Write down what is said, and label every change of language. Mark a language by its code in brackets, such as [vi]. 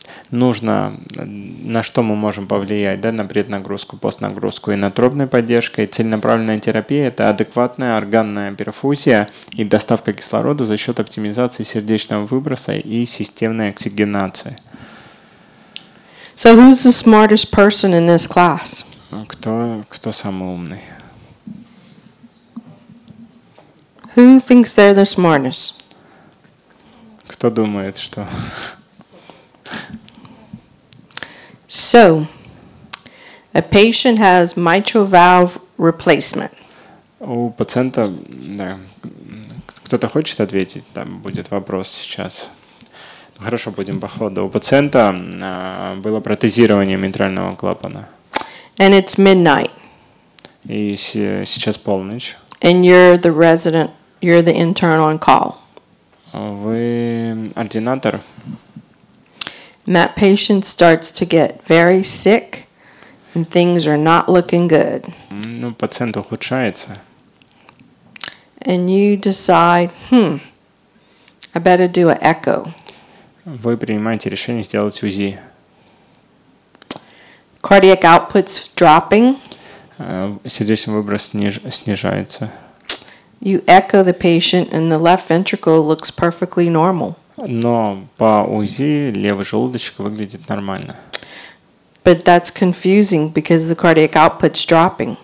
[ru] Нужно, на что мы можем повлиять, да, на преднагрузку, постнагрузку и инотропной поддержкой. Целенаправленная терапия – это адекватная органная перфузия и доставка кислорода за счет оптимизации сердечного выброса и системной оксигенации. [en] So who's the smartest person in this class? [ru] Кто самый умный? [en] Who thinks they're the smartest? [ru] Кто думает, что… [en] So, a patient has mitral valve replacement. [ru] У пациента, да, кто-то хочет ответить, там будет вопрос сейчас. Хорошо, будем по ходу. У пациента было протезирование митрального клапана. [en] And it's midnight. [ru] И сейчас полночь. [en] And you're the resident, you're the intern on call. [ru] Вы ординатор. [en] And that patient starts to get very sick, and things are not looking good. [ru] Ну, пациент ухудшается. [en] And you decide, I better do an echo. [ru] Вы принимаете решение сделать УЗИ. [en] Cardiac output's dropping. [ru] Сердечный выброс снижается. [en] You echo the patient, and the left ventricle looks perfectly normal. [ru] Но по УЗИ левый желудочек выглядит нормально. [en] But that's confusing because the cardiac output's dropping.